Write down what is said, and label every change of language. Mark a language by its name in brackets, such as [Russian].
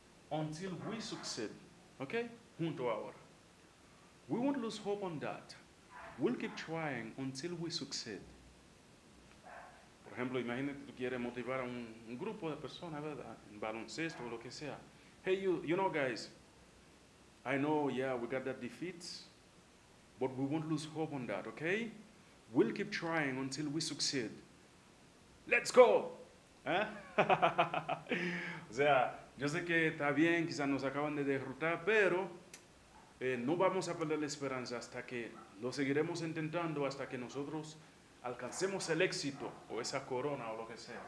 [English] Until we succeed. ¿Ok? Junto ahora. We won't lose hope on that. We'll keep trying until we succeed. [Spanish] Por ejemplo, imagínate tú quieres motivar a un grupo de personas, ¿verdad? En baloncesto o lo que sea. [English] Hey, you know, guys, I know, yeah, we got that defeat, but we won't lose hope on that, okay? We'll keep trying until we succeed. Let's go! [Spanish] ¿Eh? O sea, yo sé que está bien, quizás nos acaban de derrotar, pero no vamos a perder la esperanza hasta que lo seguiremos intentando hasta que nosotros alcancemos el éxito o esa corona o lo que sea.